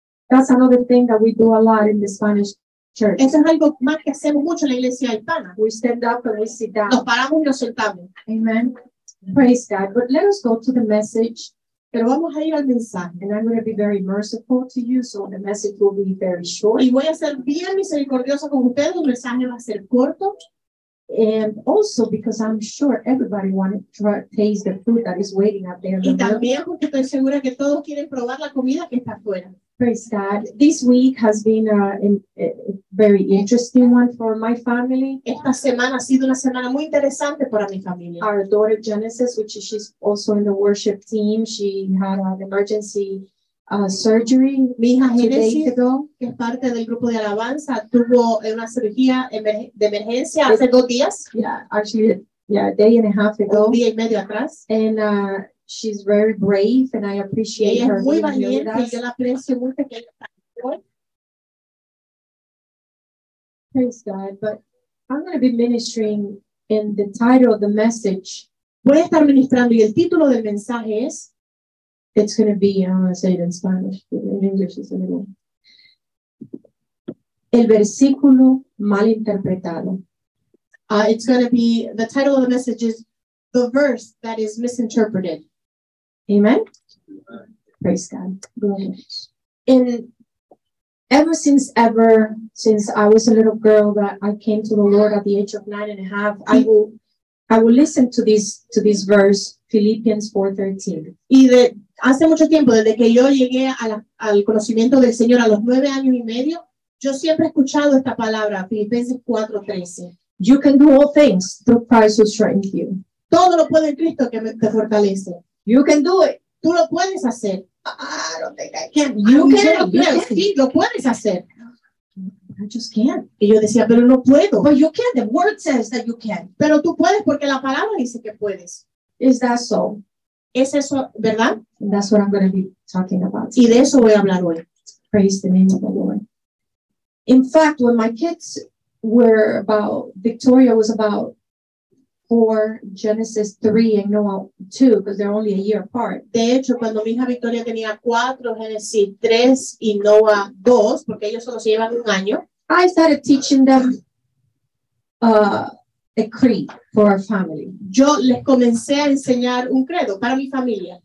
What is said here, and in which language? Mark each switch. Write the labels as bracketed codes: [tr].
[en] That's another thing that we do a lot in the Spanish church. [es] Eso es algo más que hacemos mucho en la iglesia hispana. [en] We stand up and we sit down. [es] Nos paramos y nos soltamos. [en] Amen. Praise God. But let us go to the message. [es] Pero vamos a ir al mensaje. [en] And I'm going to be very merciful to you, so the message will be very short. [es] Y voy a ser bien misericordioso con ustedes, el mensaje va a ser corto. [en] And also because I'm sure everybody wants to taste the fruit that is waiting up there. [es] Y también porque estoy segura que todos quieren probar la comida que está afuera. [en] Praise God. This week has been a very interesting one for my family. [es] Esta semana ha sido una semana muy interesante para mi familia. [en] Our daughter Genesis, which she's also in the worship team, she had an emergency surgery. [es] Mi hija Genesis, que es parte del grupo de alabanza, tuvo una cirugía de emergencia hace 2 días. [en] Yeah, actually, yeah, a day and a half ago. [es] Un día y medio atrás. [en] And she's very brave, and I appreciate [es] ella [en] her. [es] Ella es muy valiente, yo la aprecio mucho que ella está aquí. [en] Praise God, but I'm going to be ministering in the title of the message. [es] Voy a estar ministrando, y el título del mensaje es... [en] It's going to be, I'm going to say it in Spanish, but in English it's a little... [es] El versículo mal interpretado. [en] It's going to be, the title of the message is The Verse That Is Misinterpreted. Amen? Praise God. Ever since I was a little girl that I came to the Lord at the age of 9 and a half, I will listen to this verse, Philippians 4:13. [es] Y de hace mucho tiempo, desde que yo llegué al conocimiento del Señor a los 9 años y medio, yo siempre he escuchado esta palabra, Filipenses 4:13. [en] You can do all things through Christ who strengthens you. [es] Todo lo puede en Cristo que te fortalece. [en] You can do it. [es] Tú lo puedes hacer. [en] I don't think I can. You can. [es] Sí, lo puedes hacer. [en] I just can't. [es] Y yo decía, pero no puedo. [en] But you can. The word says that you can. [es] Pero tú puedes porque la palabra dice que puedes. [en] Is that so? [es] ¿Es eso verdad? [en] And that's what I'm going to be talking about. [es] Y de eso voy a hablar hoy. [en] Praise the name of the Lord. In fact, when my kids were about, Victoria was about 4, Genesis 3, and Noah 2, because they're only a year apart. [es] De hecho, cuando mi hija Victoria tenía 4, Genesis 3, y Noah 2, porque ellos solo se llevan un año. [en] I started teaching them a creed for our family. [es] Yo les comencé a enseñar un credo para mi familia.